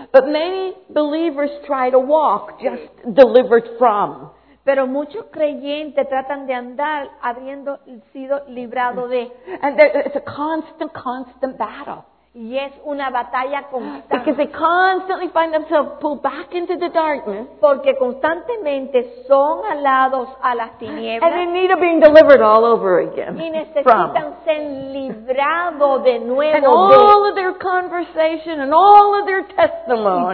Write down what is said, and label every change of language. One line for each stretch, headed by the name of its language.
English: But many believers try to walk just delivered from.
Spanish: Pero muchos creyentes tratan de andar habiendo sido librado de.
English: And it's a constant, constant battle.
Spanish: Y es una batalla constante.
English: Because they constantly find themselves pulled back into the darkness.
Spanish: Porque constantemente son alados a las tinieblas.
English: And they need of being delivered all over again.
Spanish: Y necesitan ser librados de nuevo.
English: And all of their conversation and all of their testimony.